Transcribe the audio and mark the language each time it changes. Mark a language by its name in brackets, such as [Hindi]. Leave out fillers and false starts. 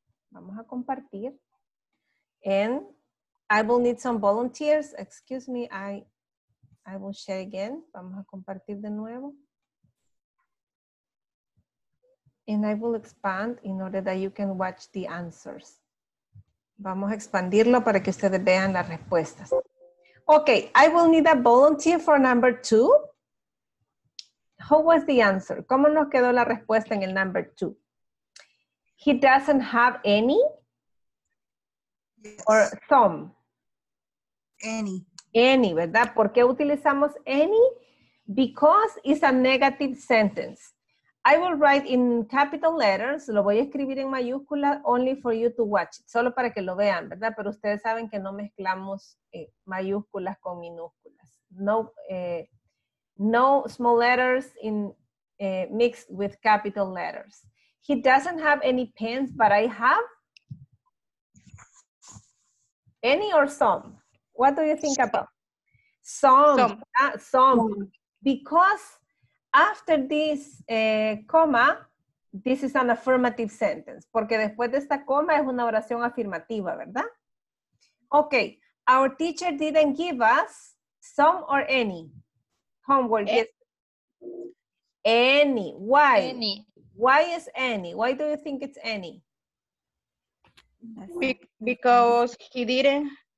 [Spanish] Vamos a compartir. [English] And I will need some volunteers. Excuse me, I will share again. [Spanish] Vamos a compartir de nuevo. [English] And I will expand in order that you can watch the answers. [Spanish] Vamos a expandirlo para que ustedes vean las respuestas. [English] Okay, I will need a volunteer for number two. How was the answer? [Spanish] ¿Cómo nos quedó la respuesta en el [English] number two? He doesn't have any? Or some? Any. Any, [Spanish] ¿verdad? ¿Por qué utilizamos [English] any? Because it's a negative sentence. I will write in capital letters, [Spanish] lo voy a escribir en mayúscula, [English] only for you to watch it, [Spanish] solo para que lo vean, ¿verdad? Pero ustedes saben que no mezclamos mayúsculas con minúsculas. [English] No small letters mixed with capital letters. He doesn't have any pens, but I have any or some. What do you think about? Some. Because after this comma, this is an affirmative sentence. [Spanish] Porque después de esta coma es una oración afirmativa, ¿verdad? [English] Okay, our teacher didn't give us some or any homework. Any. Why? Any. Why is any? Why do you think it's any? Because he didn't.